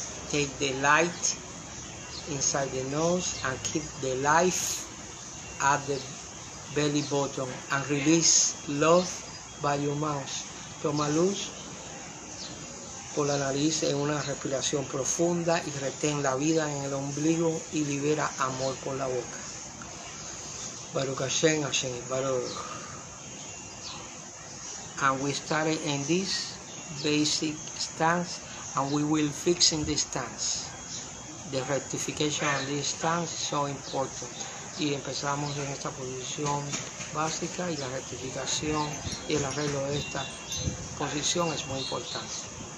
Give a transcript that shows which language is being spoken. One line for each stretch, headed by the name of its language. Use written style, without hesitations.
English: Take the light inside the nose and keep the life at the belly bottom and release love by your mouth.
Spanish: Toma luz por la nariz en una respiración profunda y retén la vida en el ombligo y libera amor por la boca.
Hebrew: Baruch Hashem, Hashem Baruch.
English: And we started in this basic stance and we will fix in this stance. The rectification of this stance is so important.
Spanish: Y empezamos en esta posición básica y la rectificación y el arreglo de esta posición es muy importante.